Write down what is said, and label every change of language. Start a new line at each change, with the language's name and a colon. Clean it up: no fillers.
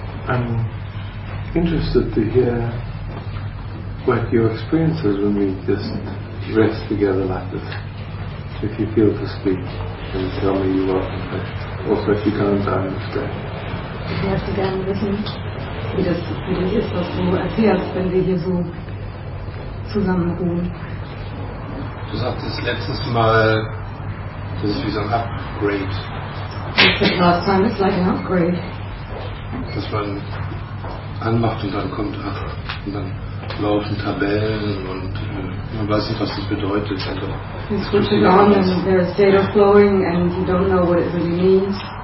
English: I'm interested to hear what your experience is when we just rest together like this. If you feel to speak and tell me you're welcome, but also if you can't, I understand.
German: Ich möchte gerne wissen, wie das für dich ist, was du erfährst, wenn wir hier so zusammen ruhen. Du sagtest letztes Mal, das ist wie so ein Upgrade.
English: Last time it's like an upgrade.
German: Dass man anmacht und dann kommt, ach, und dann laufen Tabellen und man weiß nicht, was das bedeutet. Also,
English: you switch it on and there's data flowing and you don't know what it really means.